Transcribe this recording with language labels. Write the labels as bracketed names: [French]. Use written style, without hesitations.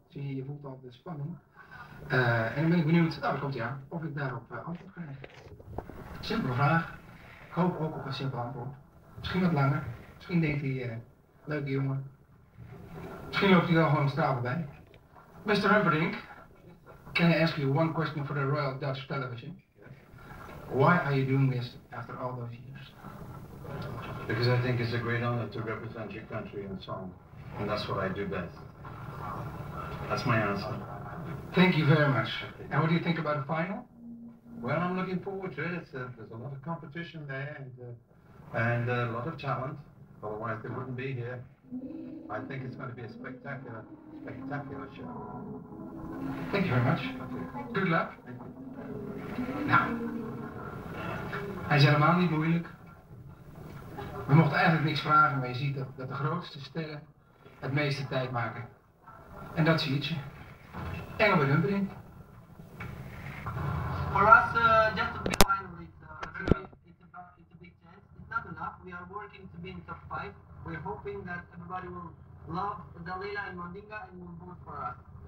[Dutch] Zie je, je voelt al de spanning. En dan ben ik benieuwd, nou, komt hij aan, of ik daarop antwoord krijg. Simpele vraag. Ik hoop ook op een simpel antwoord. Misschien wat langer. Misschien denkt hij, leuke jongen. Misschien loopt hij wel gewoon straal voorbij. [English] Mr. Humperdinck, can I ask you one question for the Royal Dutch Television? Why are you doing this after all those years? Because I think it's a great honor to represent your country in song. And that's what I do best. That's my answer. Thank you very much. And what do you think about the final? Well, I'm looking forward to it. There's a lot of competition there and a lot of talent. Otherwise, they wouldn't be here. I think it's going to be a spectacular show. Thank you very much. Good luck. [Dutch] Now, hij is helemaal niet moeilijk. We mochten eigenlijk niks vragen, maar je ziet dat de grootste sterren het meeste tijd maken. En dat zie je. Engelbert Humperdinck. [English] For us, just to be final, it's a big chance. It's not enough. We are working to be in top 5. We're hoping that everybody will love Dalila and Mandinga and will vote for us.